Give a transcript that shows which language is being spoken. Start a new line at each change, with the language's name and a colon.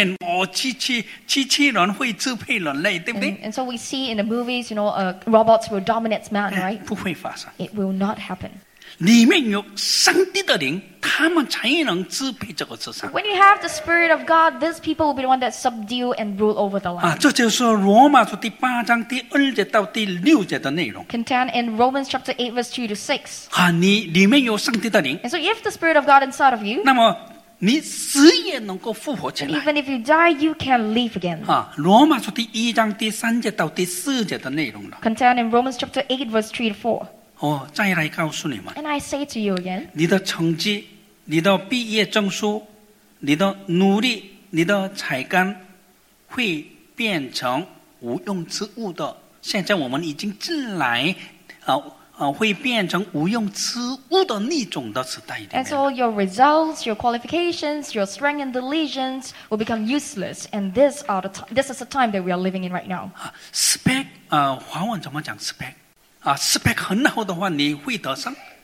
Chinese: 那么有空枪这个电影里面，机器人会支配人类，对不对？
English: And so we see in the movies, you know, robots will dominate man, right?
Chinese: 不会发生.
English: It will not happen.
Chinese: 里面有上帝的灵，他们才能支配这个世上.
English: When you have the Spirit of God, these people will be the one that subdue and rule over the land.
Chinese: 这就是罗马书第8章第2节到第6节的内容.
English: Contained in Romans chapter 8 verse 2 to 6.
Chinese: 你里面有上帝的灵.
English: And so if the Spirit of God inside of you,
Chinese: 那么你死也能够复活起来.
English: Even if you die, you can live again.
Chinese: 罗马书第1章第3节到第4节的内容了.
English: Contained in Romans chapter 8 verse 3 to 4.
Chinese: 再来告诉你们,
English: and I say to you again,
Chinese: 你的成绩, 你的毕业证书, 你的努力, 你的才干, 会变成无用之物的, 现在我们已经进来, 会变成无用之物的那种的时代里面,
English: and so your results, your qualifications, your strength and diligence will become useless, and this is the time that we are living in right now.
Chinese: Spec, 华文怎么讲 spec? Spec 很好的话，你会得上。